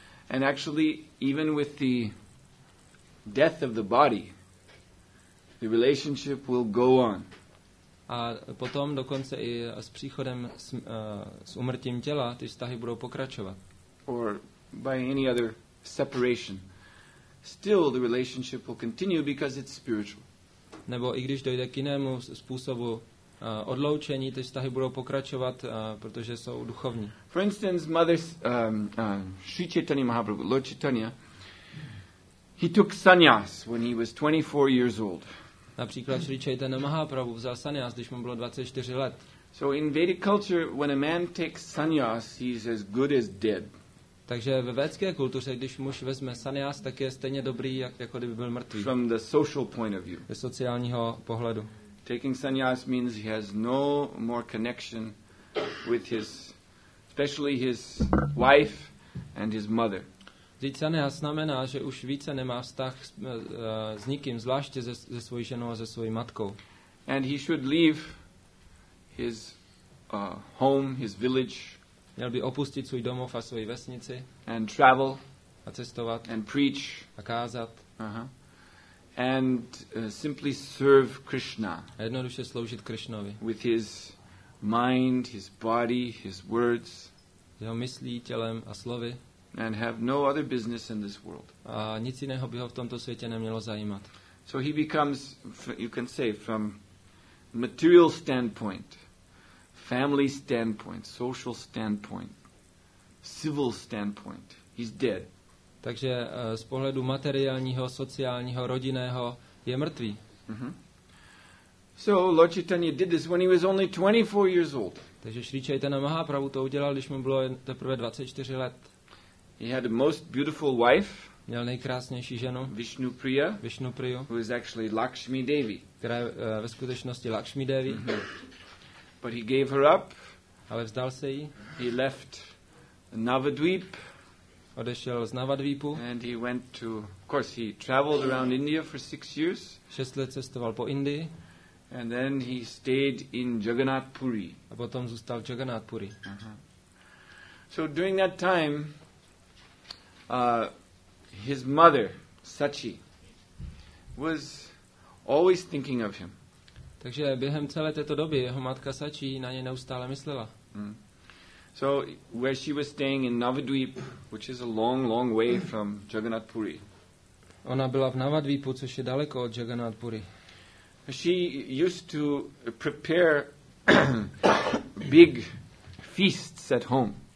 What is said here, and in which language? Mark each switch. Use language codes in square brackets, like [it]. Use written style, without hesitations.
[en] And actually, even with the death of the body, the relationship will go on. [cs] A potom dokonce i s příchodem s úmrtím těla ty vztahy budou pokračovat. [en] Or by any other separation, still the relationship will continue because it's spiritual. [cs] Nebo i když dojde k jinému způsobu odloučení, ty vztahy budou pokračovat, protože jsou duchovní. [en] For instance, mother Sri Chaitanya Mahaprabhu, Lord Chaitanya, he took sannyas when he was 24 years old. [cs] Například Sri Chaitanya Mahaprabhu vzal sannyas, když mu bylo 24 let. [en] So in Vedic culture, when a man takes sannyas, he's as good as dead. [cs] Takže ve védské kultuře, když muž vezme sannyas, tak je stejně dobrý, jako kdyby byl mrtvý. [en] From the social point of view. [cs] Ze sociálního pohledu. [en] Taking sannyas means he has no more connection with his, especially his wife and his mother. [cs] Vzít sannyas znamená, že už více nemá vztah s nikým, zvláště se svojí ženou a se svojí matkou. [en] And he should leave his home, his village. [cs] Měl by opustit svůj domov a svoji vesnici. [en] And travel. [cs] A cestovat. [en] And preach. [cs] A kázat. [en] And simply serve Krishna. [cs] A jednoduše sloužit Krishnovi. [en] With his mind, his body, his words. [cs] Jeho myslí, tělem a slovy. [en] And have no other business in this world. [cs] A nic jiného by ho v tomto světě nemělo zajímat. [en] So he becomes, you can say, from material standpoint, family standpoint, social standpoint, civil standpoint, he's dead. [cs] Takže z pohledu materiálního, sociálního, rodinného je mrtvý. [en] So Lord Chaitanya did this when he was only 24 years old. [cs] Takže Sri Chaitanya Mahaprabhu to udělal, když mu bylo teprve 24 let. [en] He had a most beautiful wife. [cs] Měl nejkrásnější ženu. [en] Vishnupriya. [cs] Vishnupriyu. [en] Who is actually Lakshmi Devi. [cs] Která je ve skutečnosti Lakshmi Devi. [en] But he gave her up. [cs] Ale vzdal se jí. [en] He left Navadvip. [cs] Odešel z Navadvípu. [en] And he went to, of course, he traveled around India for 6 years. [cs] 6 let cestoval po Indii. [en] And then he stayed in Jagannath Puri. [cs] A potom zůstal v Jagannath Puri. [en] So during that time, his mother, Sachi, was always thinking of him. [cs] Takže během celé této doby jeho matka Sachi na něj neustále myslela. [en] So where she was staying in Navadvip, which is a long, long way from Jagannath Puri. [cs] Ona byla v Navadvipu, což je daleko od Jagannath Puri. [en] She used to prepare big feasts at home.